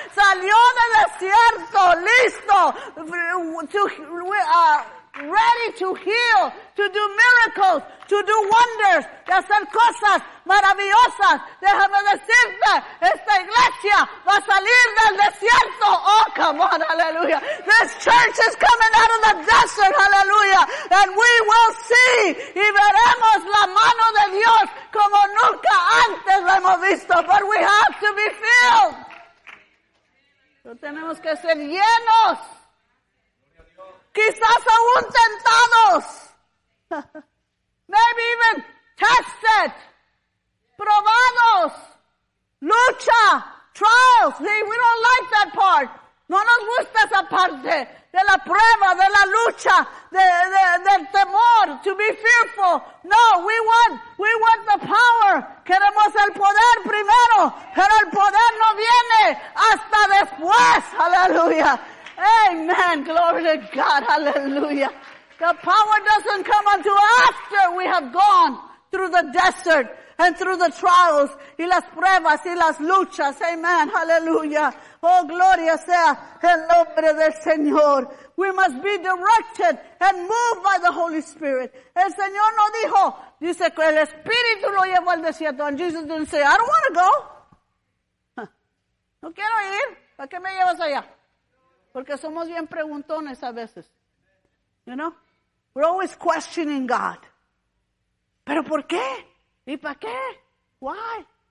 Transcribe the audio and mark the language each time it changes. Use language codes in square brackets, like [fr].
[es] Salió del desierto, listo. [en] Ready to heal, to do miracles, to do wonders, [es] de hacer cosas maravillosas. Déjame decirte, esta iglesia va a salir del desierto. [en] Oh, come on, hallelujah. This church is coming out of the desert, hallelujah. And we will see, [es] y veremos la mano de Dios como nunca antes la hemos visto. [en] But we have to be filled. [es] No tenemos que ser llenos. Quizás aún tentados. [en] Maybe even tested. [es] Probados. Lucha. Trials. [en] See, we don't like that part. [es] No nos gusta esa parte de la prueba, de la lucha, del temor, [en] to be fearful. No, we want the power. [es] Queremos el poder primero, pero el poder no viene hasta después. [en] Hallelujah. Amen. Glory to God. Hallelujah. The power doesn't come until after we have gone through the desert and through the trials [es] y las pruebas y las luchas. [en] Amen. Hallelujah. [es] Oh, gloria sea el nombre del Señor. [en] We must be directed and moved by the Holy Spirit. [es] El Señor no dijo, dice que el Espíritu lo llevó al desierto. [en] And Jesus didn't say, I don't want to go. [es] No quiero ir. ¿Para qué me llevas allá? Porque somos bien preguntones a veces. [en] You know? We're always questioning God. [es] ¿Pero por qué? ¿Y para qué? [en] Why?